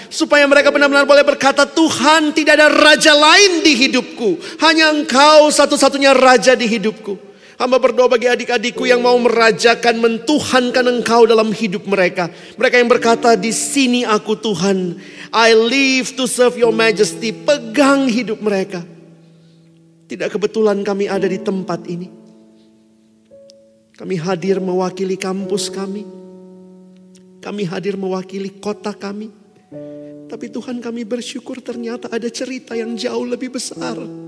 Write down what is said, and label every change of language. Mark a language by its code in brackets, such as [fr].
[id] Supaya mereka benar-benar boleh berkata, Tuhan, tidak ada raja lain di hidupku. Hanya Engkau satu-satunya raja di hidupku. Hamba berdoa bagi adik-adikku yang mau merajakan, mentuhankan Engkau dalam hidup mereka. Mereka yang berkata, di sini aku Tuhan. [en] I live to serve your majesty. [id] Pegang hidup mereka. Tidak kebetulan kami ada di tempat ini. Kami hadir mewakili kampus kami. Kami hadir mewakili kota kami. Tapi Tuhan, kami bersyukur ternyata ada cerita yang jauh lebih besar.